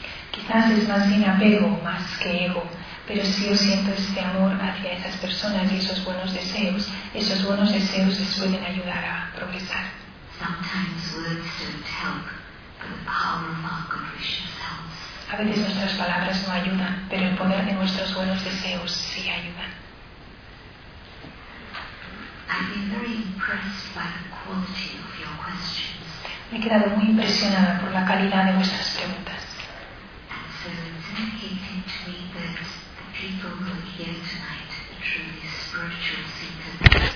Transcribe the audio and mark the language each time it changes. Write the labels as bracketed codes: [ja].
[es] Quizás es más bien apego más que ego, pero si yo siento este amor hacia esas personas y esos buenos deseos les pueden ayudar a progresar. [en] Sometimes words don't help, but the power of our good wishes helps. [es] A veces nuestras palabras no ayudan, pero el poder de nuestros buenos deseos sí ayudan. [en] I've been very impressed by the quality of your questions. [es] Me he quedado muy impresionada por la calidad de vuestras preguntas. [en] And so it's indicating to me that the people who are here tonight are truly spiritual seekers.